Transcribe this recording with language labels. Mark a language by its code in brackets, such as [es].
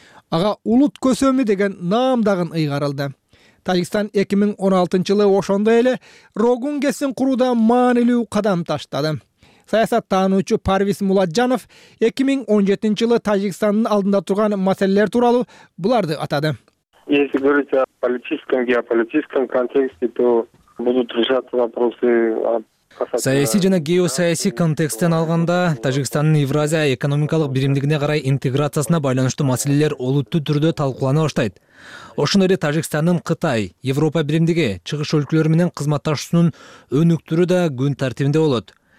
[ky] Ага Улут Көсөмү деген наам дагы ыйгарылды. Тажикстан 2016-жылы ошондой эле Рогун кесин курууда маанилүү кадам таштады. Саясат таануучу Парвиз Муладжанов 2017-жылы Тажикстандын алдында турган маселелер тууралуу буларды атады. [ru] Если говорить о политическом, геополитическом контексте, то будут решаться вопросы о. [ky] Саясий жана геосаясий контексттен алганда Тажикстандын Евразия экономикалык биримдигине карай интеграциясына байланыштуу маселелер олуттуу түрдө талкуулана баштайт. Ошондой эле Тажикстандын Кытай, Европа биримдиги, чыгыш өлкөлөр менен кызматташуусунун өнүктүрүү да күн тартибинде болот.